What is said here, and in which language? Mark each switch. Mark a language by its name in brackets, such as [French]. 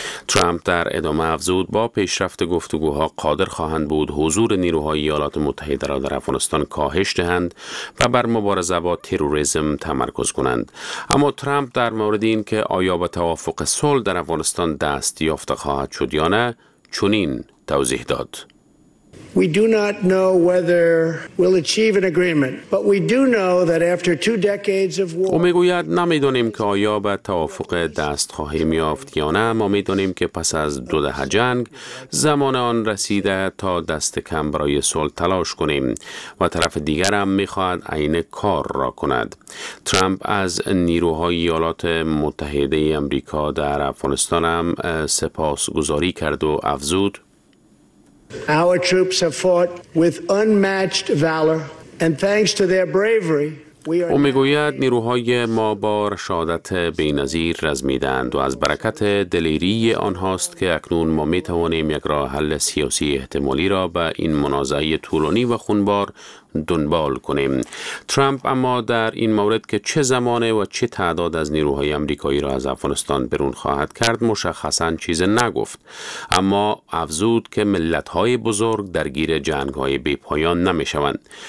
[Persian] ترامپ در ادامه افزود با پیشرفت گفتگوها قادر خواهند بود حضور نیروهای ایالات متحده را در افغانستان کاهش دهند و بر مبارزه با تروریسم تمرکز کنند. اما ترامپ در مورد این که آیا به توافق صلح در افغانستان دست یافته خواهد شد یا نه چنین توضیح داد. [English] We do not know whether we'll achieve an agreement, but we do know that after two decades of war. [Persian] او میگوید نمیدونیم که آیا به توافق دست خواهیم یافت یا نه، اما میدونیم که پس از دو دهه جنگ زمان آن رسیده تا دست کم برای صلح تلاش کنیم و طرف دیگر هم میخواهد عین کار را کند. ترامپ از نیروهای ایالات متحده آمریکا در افغانستان هم سپاسگزاری کرد و افزود [English] Our troops have fought with unmatched valor, and thanks to their bravery, [Persian] او میگوید نیروهای ما با رشادت بی‌نظیر رزمیدند و از برکت دلیری آنهاست که اکنون ما میتوانیم یک راه حل سیاسی احتمالی را به این منازعه طولانی و خونبار دنبال کنیم. ترامپ اما در این مورد که چه زمانه و چه تعداد از نیروهای آمریکایی را از افغانستان بیرون خواهد کرد مشخصاً چیز نگفت، اما افزود که ملت‌های بزرگ درگیر جنگ‌های بی‌پایان نمی‌شوند.